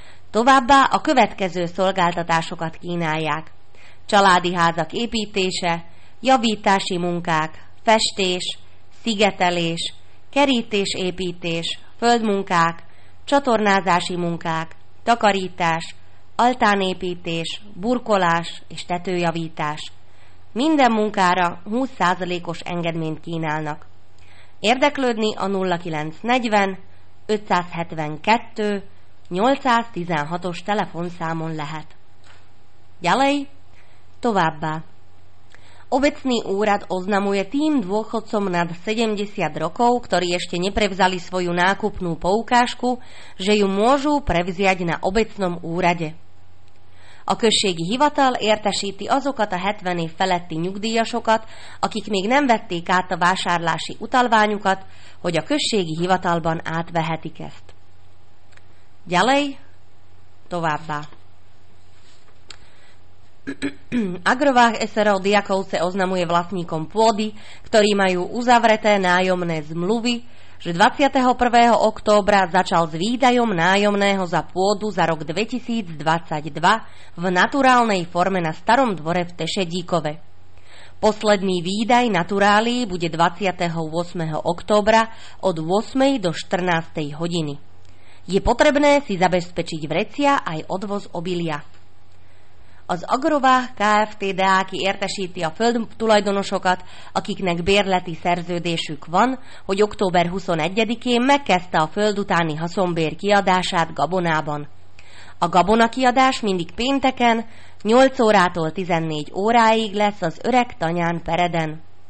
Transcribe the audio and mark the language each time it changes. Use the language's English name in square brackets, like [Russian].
[Hungarian] Továbbá a következő szolgáltatásokat kínálják: családi házak építése, javítási munkák, festés, szigetelés, kerítésépítés, földmunkák, csatornázási munkák, takarítás, altánépítés, burkolás és tetőjavítás. Minden munkára 20%-os engedményt kínálnak. Érdeklődni a 0940 572 816-os telefonszámon lehet. [Slovak] Ďalej, [Hungarian] továbbá. [Slovak] Obecný úrad oznamuje tým dôchodcom nad 70 rokov, ktorí ešte neprevzali svoju nákupnú poukážku, že ju môžu prevziať na obecnom úrade. [Hungarian] A községi hivatal értesíti azokat a 70 év feletti nyugdíjasokat, akik még nem vették át a vásárlási utalványukat, hogy a községi hivatalban átvehetik ezt. [Slovak] Ďalej, [Hungarian] továbbá. [Slovak] Agrováh SRO Diakovce oznamuje vlastníkom pôdy, ktorí majú uzavreté nájomné zmluvy, že 21. októbra začal s výdajom nájomného za pôdu za rok 2022 v naturálnej forme na Starom dvore v Tešedíkove. Posledný výdaj naturálii bude 28. októbra od 8. do 14. hodiny. Je potrebné si zabezpečiť vrecia aj odvoz obilia. [Hungarian] Az Agrováh KFTDA kiértesíti a földtulajdonosokat, akiknek bérleti szerződésük van, hogy október 21-én megkezdte a föld utáni haszonbér kiadását gabonában. A gabona kiadás mindig pénteken, 8 órától 14 óráig lesz az öreg tanyán Pereden.